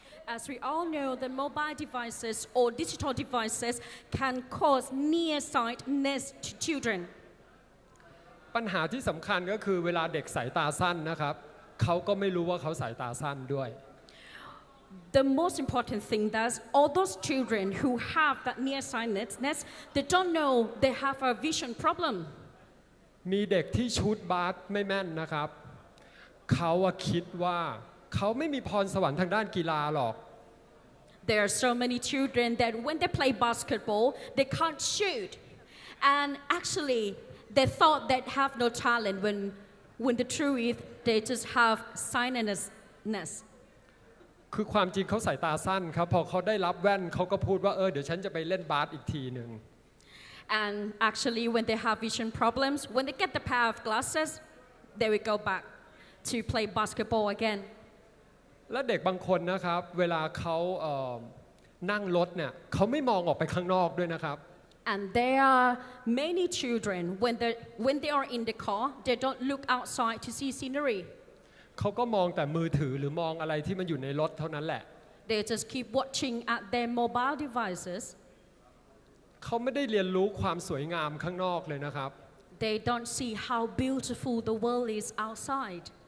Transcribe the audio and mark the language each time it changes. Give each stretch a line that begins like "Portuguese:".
English: As we all know, the mobile devices or digital devices can cause nearsightedness to children.
Thai: ปัญหาที่สำคัญก็คือเวลาเด็กสายตาสั้นนะครับเขาก็ไม่รู้ว่าเขาสายตาสั้นด้วย
English: The most important thing that all those children who have that nearsightedness, they don't know they have a vision problem.
Thai: มีเด็กที่ชุดบาสไม่แม่นนะครับเขาคิดว่าเขาไม่มีพรสวรรค์ทางด้านกีฬาหรอก
English: There are so many children that when they play basketball they can't shoot and actually they thought they have no talent when the truth they just have sightedness
Thai: คือความจริงเขาสายตาสั้นครับพอเขาได้รับแว่นเขาก็พูดว่าเดี๋ยวฉันจะไปเล่นบาสอีกทีนึง
English: And actually when they have vision problems when they get the pair of glasses they will go back to play basketball again
Thai: และเด็กบางคนนะครับเวลาเขานั่งรถเนี่ยเขาไม่มองออกไปข้างนอกด้วยนะครับ
English: And there are many children when they are in the car they don't look outside to see scenery
Thai: เขาก็มองแต่มือถือหรือมองอะไรที่มันอยู่ในรถเท่านั้นแหละ
English: They just keep watching at their mobile devices
Thai: เขาไม่ได้เรียนรู้ความสวยงามข้างนอกเลยนะครับ
English: They don't see how beautiful the world is outside